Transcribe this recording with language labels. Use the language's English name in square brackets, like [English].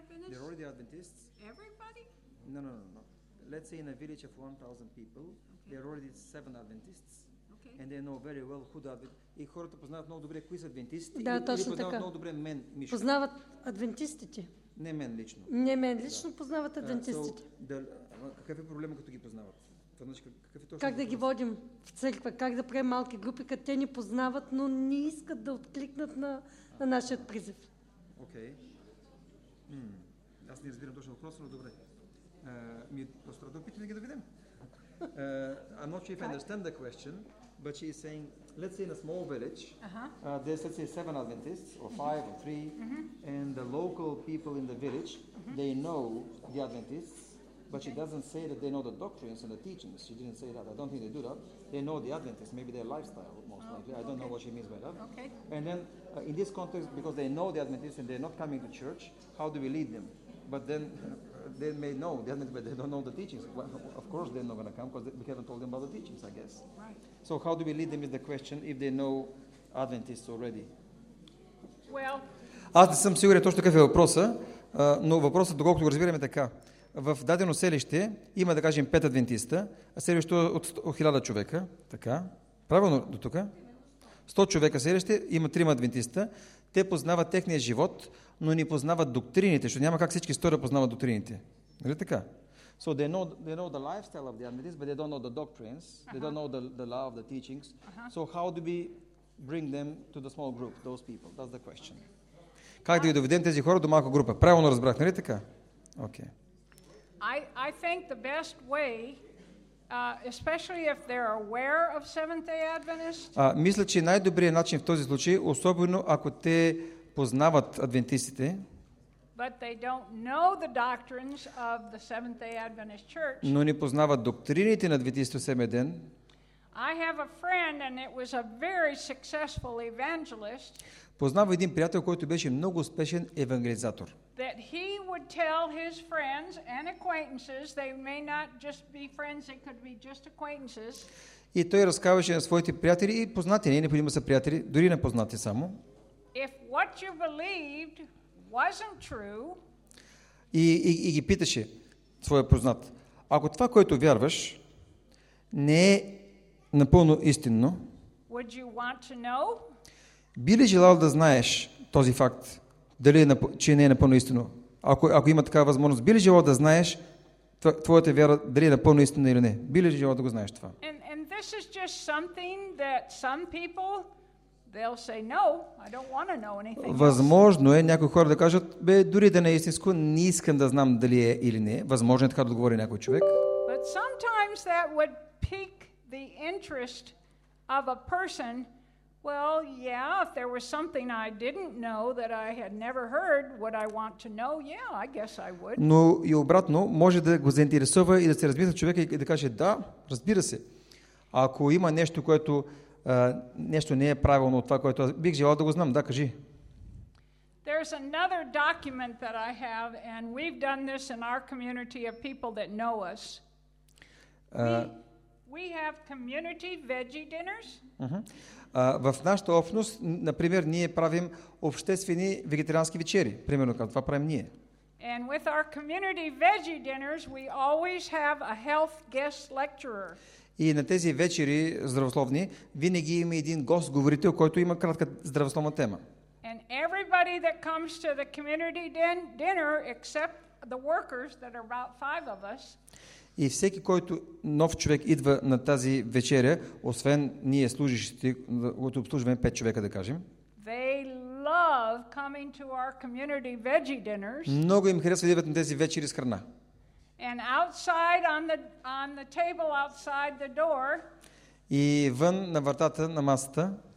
[English] They're already Adventists. Everybody? No. Let's say in a village of 1,000 people, okay. There are already 7 Adventists. Okay. And they know very well who the Adventists. [Bulgarian] И хората познават много добре кои са адвентисти. Да, и точно познават така. Много добре мен, Мишо. Познават адвентистите. Не мен лично. Не мен лично познават адвентистите. Какъв е проблема, като ги познават? Това значи, какъв е точно как да ги водим в църква? Как да правим малки групи, като те ни познават, но не искат да откликнат на нашия призив? Окей. Okay. Аз не разбирам точно въпроса, но добре. Ми просто да опитам да ги доведем. [English] I'm not sure if I understand the question, but she is saying, let's say in a small village, there's let's say 7 Adventists, or 5 or 3, mm-hmm. and the local people in the village, mm-hmm. they know the Adventists, but okay. she doesn't say that they know the doctrines and the teachings. She didn't say that. I don't think they do that. They know the Adventists, maybe their lifestyle, most likely. I don't know what she means by that. Okay. And then, in this context, because they know the Adventists and they're not coming to church, how do we lead them? But then, they may know the Adventists, but they don't know the teachings. Well, of course, they're not going to come because we haven't told them about the teachings, I guess. Right. So how do we lead them is the question if they know Adventists already. Well, [Bulgarian] аз не съм сигурен точно какъв е въпроса, но въпросът, доколкото го разбираме, така. В дадено селище има, да кажем, 5 адвентиста, а селището от 1000 човека. Така. Правилно до тук? 100 човека селище, има 3 адвентиста. Те познават техния живот, но не познават доктрините, защото няма как всички 100 да познават доктрините. Нали така? [English] So they know the lifestyle of the Adventists, but they don't know the doctrines, uh-huh. they don't know the love, the teachings. Uh-huh. So how do we bring them to the small group, those people? That's the question. [Bulgarian] Как да ги доведем тези хора до малка група? Правилно разбрах, нали така? Окей. Okay. [English] I think the best way, especially if they're aware of Seventh-day Adventists. [Bulgarian] Мисля, че най-добрият начин в този случай, особено ако те познават адвентистите. [English] But they don't know the doctrines of the Seventh-day Adventist Church. [Bulgarian] Но не познават доктрините на адвентистите Седми ден. [English] I have a friend, and it was a very successful evangelist. [Bulgarian] Познава един приятел, който беше много успешен евангелизатор. [English] That he would tell his friends and acquaintances, they may not just be friends, they could be just acquaintances. [Bulgarian] И той разказваше на своите приятели и познати, не необходимо са приятели, дори непознати само. [English] If what you believed wasn't true, [Bulgarian] и ги питаше своя познат, ако това, което вярваш, не е напълно истинно, would you want to know? Би ли желал да знаеш този факт? Дали че не е напълно истинно? Ако има такава възможност, би ли желал да знаеш твоята вяра, дали е напълно истинна или не? Би ли желал да го знаеш това? [English] And this is just something that some people, they'll say, no, I don't want to know anything. [Bulgarian] Възможно е някои хора да кажат, бе, дори да не е истинско, не искам да знам дали е или не. Възможно е така да отговори някой човек. [English] But sometimes that would pique the interest of a person. Well, yeah, if there was something I didn't know that I had never heard, would I want to know? Yeah, I guess I would. [Bulgarian] Но и обратно, може да го заинтересува и да се размисли човек и да каже, да, разбира се. Ако има нещо, което нещо не е правилно от това, което аз бих желал да го знам, да, кажи. [English] There's another document that I have, and we've done this in our community of people that know us. We have community veggie dinners. [Bulgarian] В нашата общност, например, ние правим обществени вегетариански вечери. Примерно, това правим ние. [English] And with our community veggie dinners, we always have a health guest lecturer. [Bulgarian] И на тези вечери здравословни, винаги има един гост-говорител, който има кратка здравословна тема. [English] And everybody that comes to the community dinner, except the workers that are about 5 of us. [Bulgarian] И всеки, който нов човек идва на тази вечеря, освен ние служащите, които обслужваме 5 човека, да кажем. [English] They love coming to our community veggie dinners. [Bulgarian] Много им харесва да идват на тези вечери с храна. [English] And outside on the table outside the door. [Bulgarian] И вън на вратата на масата.